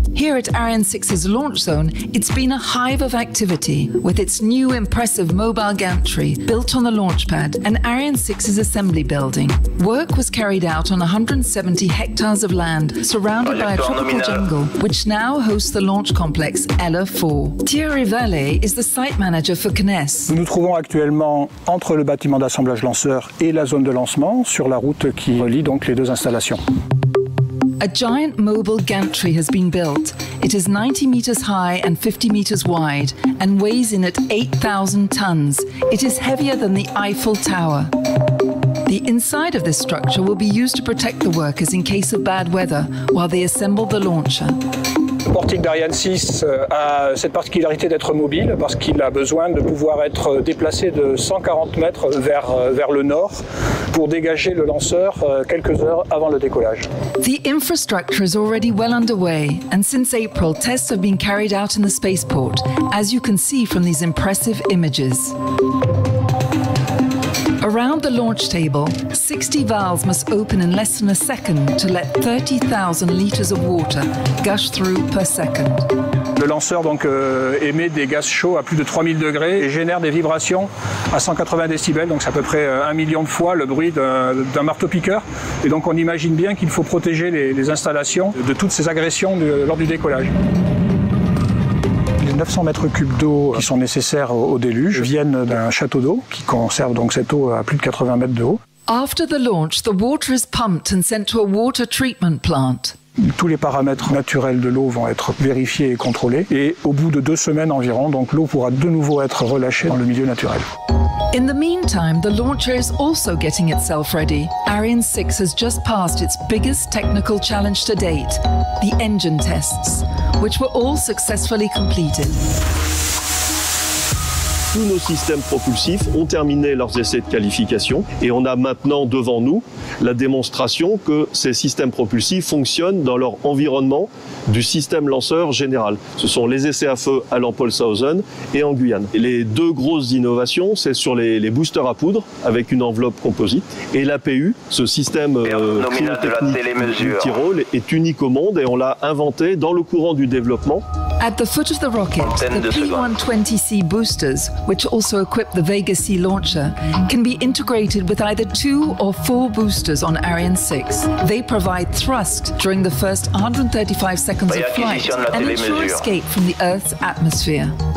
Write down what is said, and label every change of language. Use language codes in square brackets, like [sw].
[en] Here at Ariane 6's launch zone, it's been a hive of activity with its new impressive mobile gantry built on the launch pad and Ariane 6's assembly building. Work was carried out on 170 hectares of land surrounded by a tropical jungle, which now hosts the launch complex Ella 4. Thierry Vallée is the site manager for CNES. [fr] Nous nous trouvons actuellement entre le bâtiment d'assemblage lanceur et la zone de lancement sur la route qui relie donc les deux installations. [en] A giant mobile gantry has been built. It is 90 meters high and 50 meters wide and weighs in at 8,000 tons. It is heavier than the Eiffel Tower. The inside of this structure will be used to protect the workers in case of bad weather while they assemble the launcher. [fr] Le portique d'Ariane 6 a cette particularité d'être mobile parce qu'il a besoin de pouvoir être déplacé de 140 mètres vers le nord pour dégager le lanceur quelques heures avant le décollage. [en] The infrastructure is already well underway and since April, tests have been carried out in the spaceport, as you can see from these impressive images. Around the launch table, 60 valves must open in less than a second to let 30,000 liters of water gush through per second. [fr] Le lanceur donc émet des gaz chauds à plus de 3000 degrés et génère des vibrations à 180 décibels, donc c'est à peu près 1 million de fois le bruit d'un marteau piqueur. Et donc on imagine bien qu'il faut protéger les installations de toutes ces agressions lors du décollage. 900 mètres cubes d'eau qui sont nécessaires au déluge viennent d'un château d'eau qui conserve donc cette eau à plus de 80 mètres de haut. [en] After the launch, the water is pumped and sent to a water treatment plant. [fr] Tous les paramètres naturels de l'eau vont être vérifiés et contrôlés et au bout de 2 semaines environ, donc l'eau pourra de nouveau être relâchée dans le milieu naturel. [en] In the meantime, the launcher is also getting itself ready. Ariane 6 has just passed its biggest technical challenge to date, the engine tests, which were all successfully completed. [fr] tous nos systèmes propulsifs ont terminé leurs essais de qualification et on a maintenant devant nous la démonstration que ces systèmes propulsifs fonctionnent dans leur environnement du système lanceur général. Ce sont les essais à feu à Lampolshausen et en Guyane. Et les deux grosses innovations, c'est sur les boosters à poudre avec une enveloppe composite et l'APU, ce système cryotechnique multirôle, est unique au monde et on l'a inventé dans le courant du développement. [en] At the foot of the rocket, the P120C boosters, which also equip the Vega C launcher, can be integrated with either two or four boosters on Ariane 6. They provide thrust during the first 135 seconds of flight and ensure escape from the Earth's atmosphere.